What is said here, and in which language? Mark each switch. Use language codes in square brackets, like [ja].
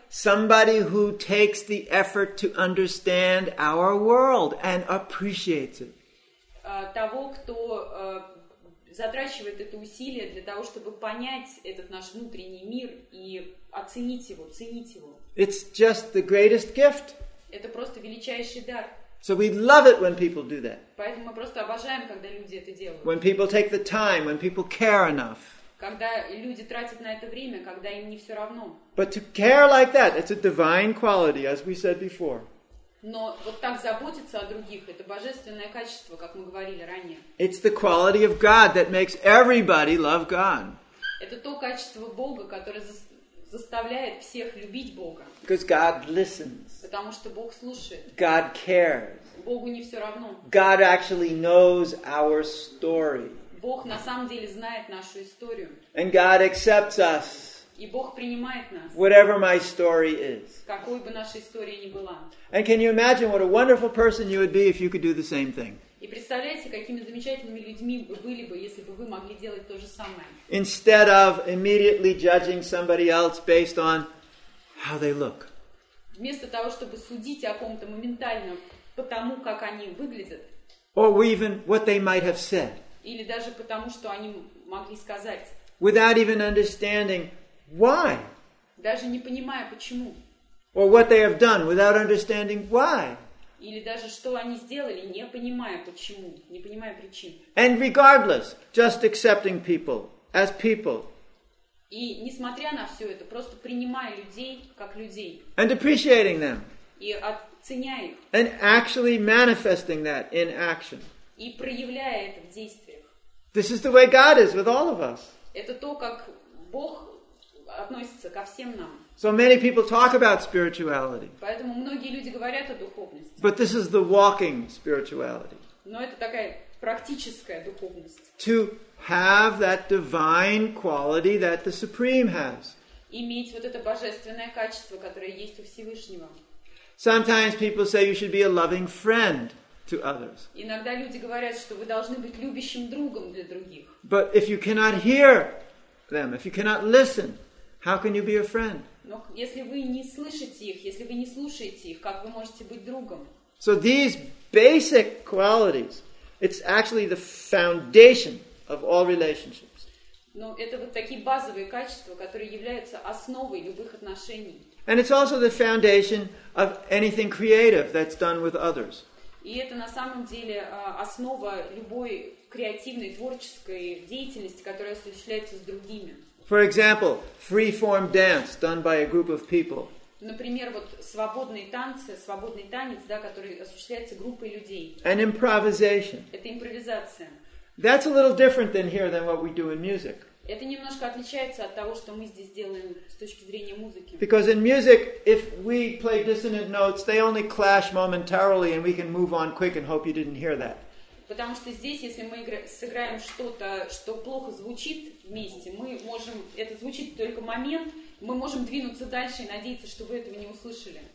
[en] Somebody who takes the effort to understand our world and appreciates it. [ru] Того, кто затрачивает это усилие для того, чтобы понять этот наш внутренний мир и оценить его, ценить его. [en] It's just the greatest gift. [ru] Это просто величайший дар. [en] So we love it when people do that. [ru] Поэтому мы просто обожаем, когда люди это делают. [en] When people take the time, when people care enough. [ru] Когда люди тратят на это время, когда им не все равно. [en] But to care like that, it's a divine quality, as we said before. [ru] Но вот так заботиться о других, это божественное качество, как мы говорили ранее. [en] It's the quality of God that makes everybody love God. [ru] Это то качество Бога, которое заставляет всех любить Бога. [en] Because God listens. [ru] Потому что Бог слушает. [en] God cares. [ru] Богу не все равно. [en] God actually knows our story. [ru] Бог на самом деле знает нашу историю. [en] And God accepts us. [ru] И Бог принимает нас. [en] Whatever my story is. [ru] Какой бы наша история ни была. [en] And can you imagine what a wonderful person you would be if you could do the same thing? [ru] И представляете, какими замечательными людьми вы были бы, если бы вы могли делать то же самое. [en] Instead of immediately judging somebody else based on how they look. [ru] Вместо того, чтобы судить о ком-то моментально по тому, как они выглядят. [en] Or even what they might have said. [ru] Или даже потому, что они могли сказать. [en] Without even understanding why. [ru] Даже не понимая, почему. [en] Or what they have done without understanding why. [ru] Или даже что они сделали, не понимая, почему, не понимая причин. [en] And regardless, just accepting people as people. [ru] И несмотря на все это, просто принимая людей как людей. [en] And appreciating them. [ru] И оценяя их. [en] And actually manifesting that in action. [ru] И проявляя это в действии. [en] This is the way God is with all of us. [ru] Это то, как Бог относится ко всем нам. [en] So many people talk about spirituality. [ru] Поэтому многие люди говорят о духовности. [en] But this is the walking spirituality. [ru] Но это такая практическая духовность. [en] To have that divine quality that the Supreme has. [ru] Иметь вот это божественное качество, которое есть у Всевышнего. [en] Sometimes people say you should be a loving friend. To others. [ru] Иногда люди говорят, что вы должны быть любящим другом для других. [en] But if you cannot hear them, if you cannot listen, how can you be a friend? [ru] Но если вы не слышите их, если вы не слушаете их, как вы можете быть другом? [en] So these basic qualities It's actually the foundation of all relationships. [ru] Но это вот такие базовые качества, которые являются основой любых отношений. [en] And it's also the foundation of anything creative that's done with others. [ru] И это на самом деле основа любой креативной творческой деятельности, которая осуществляется с другими. [en] For example, free-form dance done by a group of people. [ru] Например, вот свободные танцы, свободный танец, да, который осуществляется группой людей. [en] And improvisation. [ru] Это импровизация. [en] That's a little different than here than what we do in music. [ru] Это немножко отличается от того, что мы здесь делаем с точки зрения музыки. [en] Because in music, if we play dissonant notes, they only clash momentarily, and we can move on quick and hope you didn't hear that. [ru] Потому что здесь, если мы сыграем что-то, что плохо звучит вместе, мы можем, это звучит только момент, мы можем двинуться дальше и надеяться, что вы этого не услышали.